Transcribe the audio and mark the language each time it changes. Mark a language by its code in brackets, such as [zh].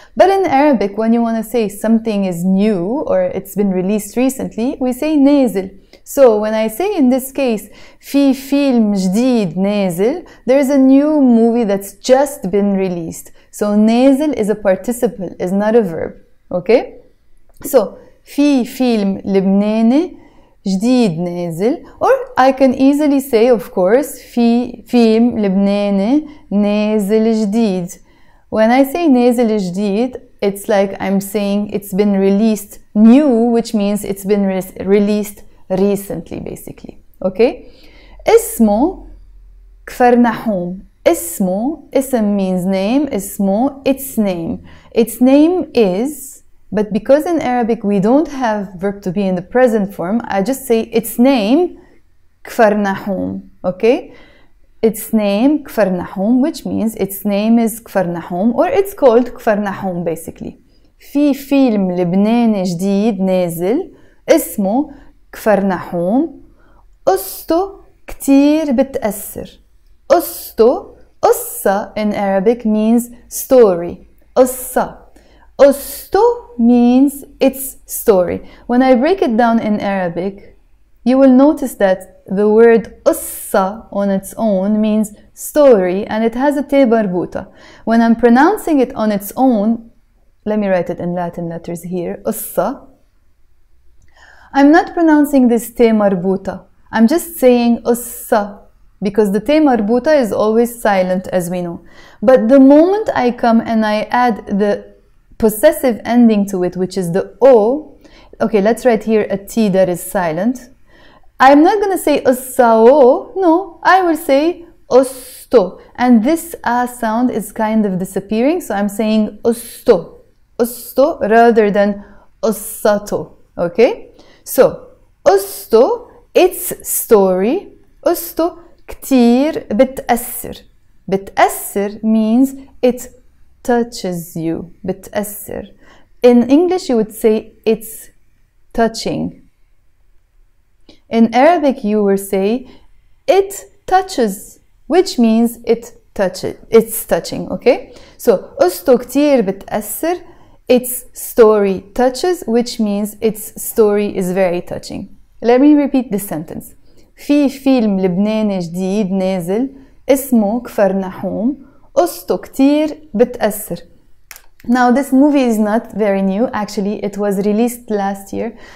[en] But in Arabic, when you want to say something is new or it's been released recently, we say nazil. So when I say in this case, [ar] في فيلم جديد نازل, [en] there is a new movie that's just been released. So نازل is a participle, is not a verb. Okay? [ar] So في فيلم لبناني جديد نازل. [en] Or I can easily say, of course, [ar] في فيلم لبناني نازل جديد. [en] When I say [ar] نازل جديد, [en] it's like I'm saying it's been released new, which means it's been released recently, basically. [ar] Okay? اسمه كفرناحوم. [en] اسمه, اسم means name. اسمه, its name. Its name is, but because in Arabic we don't have verb to be in the present form, I just say its name, كفرناحوم. Okay? Its name, كفرناحوم, which means its name is كفرناحوم, or it's called كفرناحوم, basically. [ar] في فيلم لبناني جديد نازل اسمه كفرناحوم قصته كتير بتأثر قصته قصة [en] in Arabic means story [ar] قصة قصته [en] means its story. When I break it down in Arabic, you will notice that the word قصة on its own means story and it has a ت مربوطة. When I'm pronouncing it on its own, let me write it in Latin letters here, قصة, I'm not pronouncing this te marbuta. I'm just saying ussa because the te marbuta is always silent as we know. But the moment I come and I add the possessive ending to it, which is the o, okay, let's write here a t that is silent. I'm not going to say ussa o, no, I will say osto. And this a sound is kind of disappearing, so I'm saying osto, osto rather than ussato, okay? [ar] So, أسطو, its story, أسطو كتير بتأثر. [en] بتأثر means it touches you, بتأثر. In English, you would say it's touching. In Arabic, you would say it touches, which means it touches, it's touching, okay? [ar] So, أسطو كتير بتأثر. [en] Its story touches, which means its story is very touching. Let me repeat this sentence. [ar] في فيلم لبناني جديد نازل اسمه كفرناحوم قصته كتير بتأثر. [en] Now this movie is not very new. Actually, it was released last year.